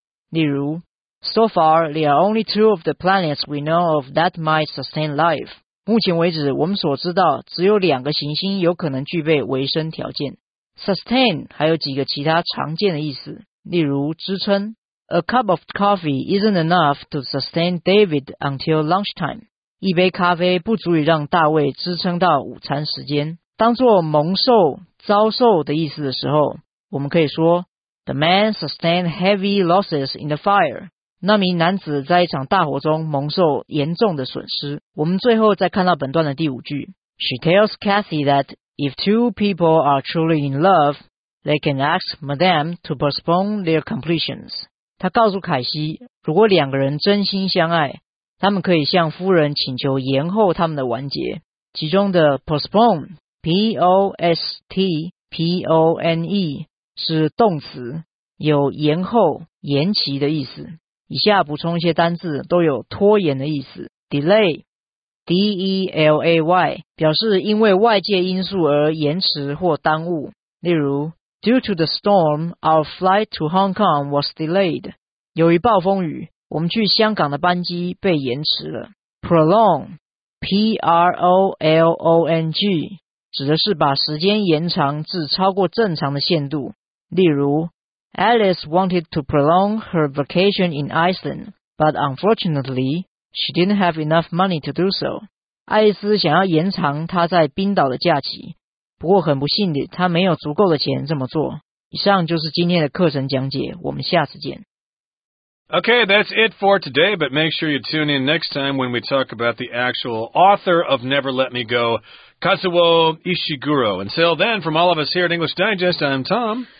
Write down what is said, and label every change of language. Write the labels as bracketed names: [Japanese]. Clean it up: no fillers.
[English] 例如， So far, there are only two of the planets we know of that might sustain life. [Chinese] 目前为止，我们所知道只有两个行星有可能具备维生条件。 sustain 还有几个其他常见的意思，例如支撑。 [English] A cup of coffee isn't enough to sustain David until lunchtime. [Chinese] 一杯咖啡不足以让大卫支撑到午餐时间。当作蒙受、遭受的意思的时候，我们可以说 The man sustained heavy losses in the fire. 那名男子在一场大火中蒙受严重的损失。我们最后再看到本段的第五句。 [English] She tells Kathy that if two people are truly in love, they can ask Madame to postpone their completions. [Chinese] 他告诉凯西，如果两个人真心相爱，他们可以向夫人请求延后他们的完结。其中的 postpone, P-O-S-T-P-O-N-E, 是动词，有延后、延期的意思。以下补充一些单字都有拖延的意思。 delay, D-E-L-A-Y, 表示因为外界因素而延迟或耽误。 [English] 例如 Due to the storm, our flight to Hong Kong was delayed. [Chinese] 由于暴风雨，我们去香港的班机被延迟了。 Prolong, P-R-O-L-O-N-G, 指的是把时间延长至超过正常的限度。 [English] 例如 Alice wanted to prolong her vacation in Iceland, but unfortunately, she didn't have enough money to do so. [Chinese] 爱丽丝想要延长她在冰岛的假期，不过很不幸的，他没有足够的钱这么做。以上就是今天的课程讲解，我们下次见。 [English] Okay, that's it for today, but make sure you tune in next time when we talk about the actual author of Never Let Me Go, Kazuo Ishiguro. Until then, from all of us here at English Digest, I'm Tom.